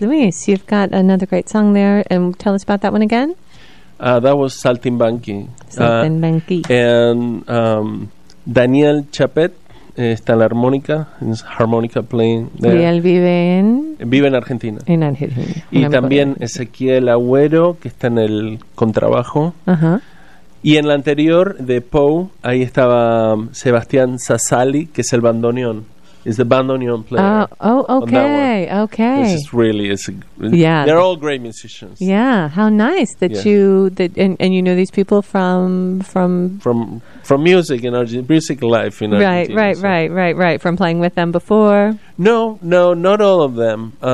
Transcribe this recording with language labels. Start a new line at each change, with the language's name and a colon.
English: Luis, you've got another great song there. And tell us about that one again. That was Saltimbanqui. Saltimbanqui.
Spanish: And Daniel Chapet está en la armónica. Es
English: harmonica playing there.
Spanish: Y él vive en... Vive en Argentina. En Argentina. Y también Ezequiel Agüero, que está en el contrabajo. Ajá. Y en la anterior, de Poe, ahí estaba Sebastián Sassali, que es el bandoneón. Es el bandoneón player.
English: Okay. This is really, they're all great musicians. Yeah, how nice that and you know these people from music in Argentina, music life in Argentina. Right, from playing with them before. No, not all of them.